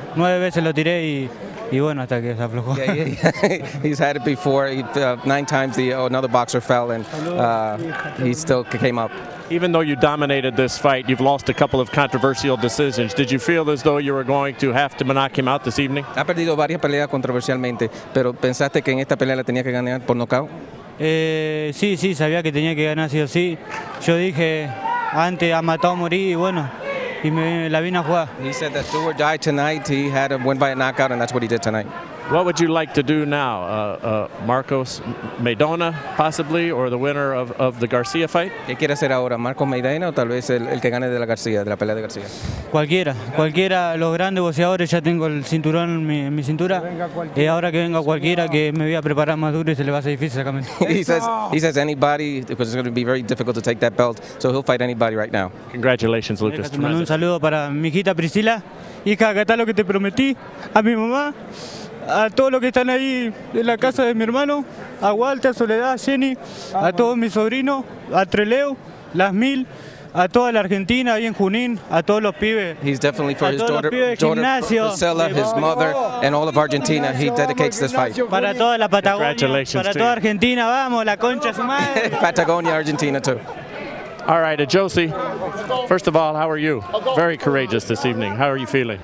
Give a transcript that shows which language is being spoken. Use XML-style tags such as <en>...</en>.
<es>9 veces lo tiré y bueno, hasta que se aflojó.</es> <en>He's had it before. Nine times another boxer fell and he still came up. Even though you dominated this fight, you've lost a couple of controversial decisions. Did you feel as though you were going to have to knock him out this evening?</en> <es>Ha perdido varias peleas controversialmente, pero ¿pensaste que en esta pelea la tenía que ganar por nocaut? Sí, sabía que tenía que ganar sí o sí. Yo dije antes, a matar o morir, y bueno, y me la vine a jugar.</es> <en>He said that do or die tonight, he had a win by a knockout, and that's what he did tonight. What would you like to do now? Marcos Maidana, possibly, or the winner of the Garcia fight?</en> <es>¿Qué quiere hacer ahora? ¿Marcos Maidana o tal vez el que gane de la García, de la pelea de García? Cualquiera. Los grandes boxeadores, ya tengo el cinturón en mi cintura. Y ahora que venga cualquiera, que me voy a preparar más duro y se le va a hacer difícil sacarme.</es> <en>He says anybody, because it's going to be very difficult to take that belt, so he'll fight anybody right now. Congratulations, Lucas.</en> <es>Mando un saludo para mi hijita Priscila. Hija, acá está lo que te prometí. A mi mamá. A todos los que están ahí en la casa de mi hermano, a Walter, a Soledad, a Jenny, a todos mis sobrinos, a Treleo, Las Mil, a toda la Argentina ahí en Junín, a todos los pibes.</es> <en>He's definitely for a his daughter, Priscila, his mother, and all of Argentina. He dedicates this fight.</en> <es>Para toda la Patagonia, para toda Argentina, vamos, la concha su madre.</es> <en>Patagonia, Argentina too. All right, Ajose, first of all, how are you? Very courageous this evening. How are you feeling?</en>